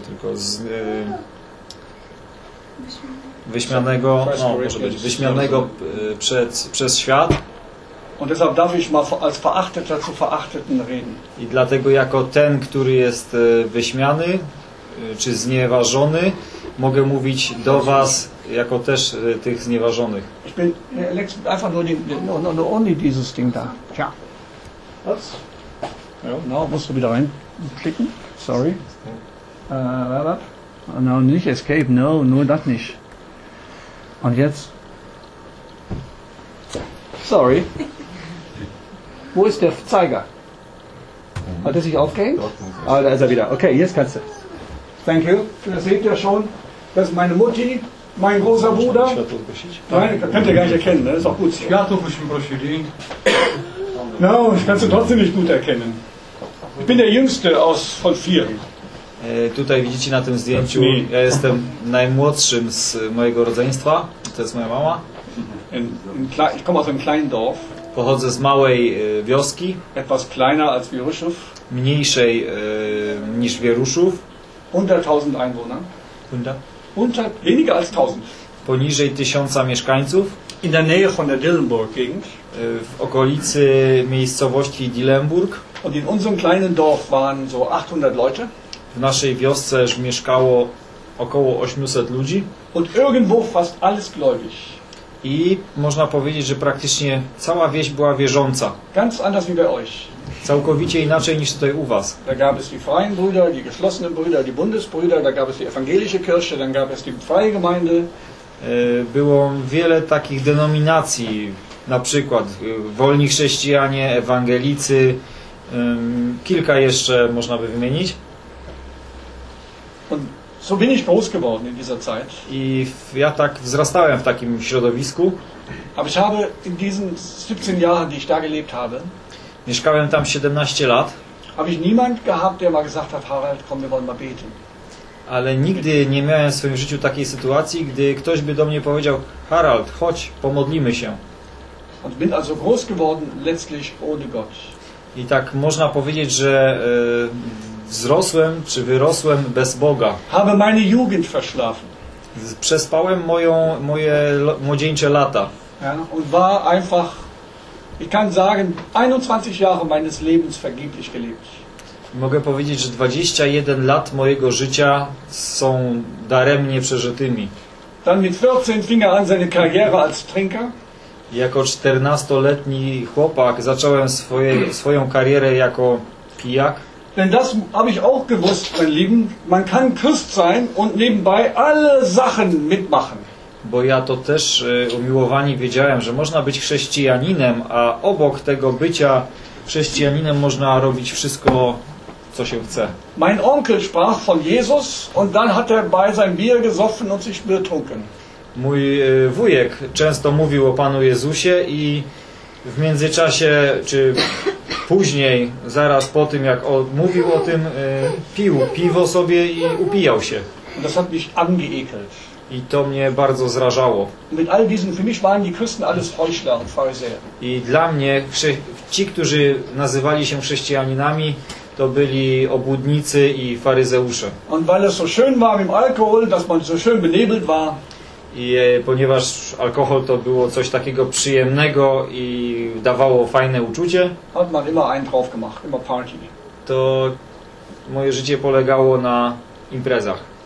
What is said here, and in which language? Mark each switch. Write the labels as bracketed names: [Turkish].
[Polish] tylko z wyśmianego, no, może być wyśmianego przez świat. [German] Und deshalb darf ich mal als Verachteter zu Verachteten reden. [Polish] I dlatego jako ten, który jest wyśmiany czy znieważony, mogę mówić do was jako też tych znieważonych. [German] Ich bin einfach nur only dieses Ding da. Tja. Was? Ja, no, musst du wieder reinklicken. Sorry. No, nicht escape, no, nur das nicht. Und jetzt? Sorry. Wo ist der Zeiger? Hat er sich aufgehängt? Ah, da ist er wieder. Okay, jetzt kannst du. [English] Thank you. [German] Ihr seht ja schon, das ist meine Mutti, mein großer Bruder. Nein, das könnt ihr gar nicht erkennen, das ist auch gut. [Polish] Światów byśmy prosili. [German] No, ich kann es trotzdem nicht gut erkennen. Ich bin der Jüngste aus von vier. [Polish] Tutaj widzicie na tym zdjęciu, ja jestem najmłodszym z mojego rodzeństwa. To jest moja mama. [German] Ich komme aus einem kleinen Dorf. [Polish] Pochodzę z małej wioski. [German] Etwas kleiner als Wieruszów. [Polish] Mniejszej niż Wieruszów. [German] Unter 1000 Einwohner. Unter weniger als 1000. [Polish] Poniżej 1000 mieszkańców. [German] In der Nähe von der Dillenburg Gegend. [Polish] W okolicy miejscowości Dillenburg. [German] Und in unserem kleinen Dorf waren so 800 Leute. [Polish] W naszej wiosce mieszkało około 800 ludzi. [German] Und irgendwo fast alles gläubig. [Polish] I można powiedzieć, że praktycznie cała wieś była wierząca. [German] Ganz anders wie bei euch. [Polish] Całkowicie inaczej niż tutaj u was. [German] Da gab es die freien Brüder, die geschlossenen Brüder, die Bundesbrüder, da gab es die evangelische Kirche, dann gab es die freie Gemeinde. [Polish] Było wiele takich denominacji, na przykład wolni chrześcijanie, ewangelicy, kilka jeszcze można by wymienić. [German] Und so bin ich groß geworden in dieser Zeit. [Polish] I ja tak wzrastałem w takim środowisku. [German] Aber ich habe in diesen 17 Jahren, die ich da gelebt habe, [Polish] mieszkałem tam 17 lat. [German] Habe ich niemand gehabt, der mal gesagt hat, Harald, komm, wir wollen mal beten. [Polish] Ale nigdy nie miałem w swoim życiu takiej sytuacji, gdy ktoś by do mnie powiedział, Harald, chodź, pomodlimy się. [German] Und bin also groß geworden letztlich ohne Gott. [Polish] I tak można powiedzieć, że wzrosłem czy wyrosłem bez Boga. [German] Habe meine Jugend verschlafen. [Polish] Przespałem moje młodzieńcze lata. [German] Ja, und war einfach, ich kann sagen, 21 Jahre meines Lebens vergeblich gelebt. [Polish] Mogę powiedzieć, że 21 lat mojego życia są daremnie przeżytymi. [German] Dann mit 14 fing er an seine Karriere als Trinker. [Polish] Jako 14-letni chłopak zacząłem swoją karierę jako pijak. [German] Denn das habe ich auch gewusst, mein Lieben. Man kann Christ sein und nebenbei alle Sachen mitmachen. [Polish] bo ja to też umiłowani wiedziałem, że można być chrześcijaninem, a obok tego bycia chrześcijaninem można robić wszystko, co się chce. [German] Mein Onkel sprach von Jesus und dann hat bei seinem Bier gesoffen und sich betrunken. [Polish] Mój wujek często mówił o Panu Jezusie i w międzyczasie, czy później, zaraz po tym, jak mówił o tym, pił piwo sobie i upijał się. [German] Das hat mich angeekelt. [Polish] I to mnie bardzo zrażało. [German] Mit all diesen, für mich waren die Christen alles Heuchler und Pharisäer. [Polish] I dla mnie ci, którzy nazywali się chrześcijaninami, to byli obłudnicy i faryzeusze. [German] Und weil es so schön war mit dem Alkohol, dass man so schön benebelt war. [Polish] I ponieważ alkohol to było coś takiego przyjemnego i dawało fajne uczucie, [German] hat man immer einen drauf gemacht, immer Party. [Polish] To moje życie polegało na imprezach.